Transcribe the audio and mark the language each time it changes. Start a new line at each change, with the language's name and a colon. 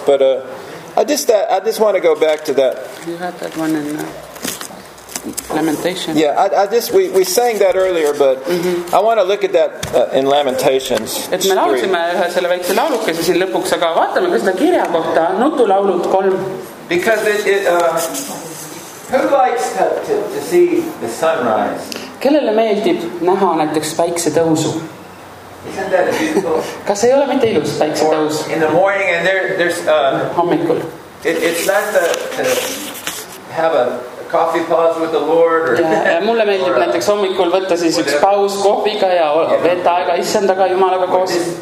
English: But I just want to go back to that. You had that one in Lamentations. Yeah, we sang that earlier, but I want to look at that in Lamentations.
Estonian: Et me laulsime ühe selle väikse laulukese siin lõpuks, aga vaatame, kas ta kirja kohta, nutulaulud 3.
English: Because who likes to see the sunrise?
Estonian: Kellele meeldib näha näiteks päikse tõusu? Kas ei ole mitte ilus päikse tõus?
English: In the morning and there's
Estonian: hommikul.
English: It's not to have a coffee pause with the Lord or
Estonian: ja mulle meeldib näiteks hommikul võtta siis üks paus kohviga ja veeta aega issandaga jumalaga koos.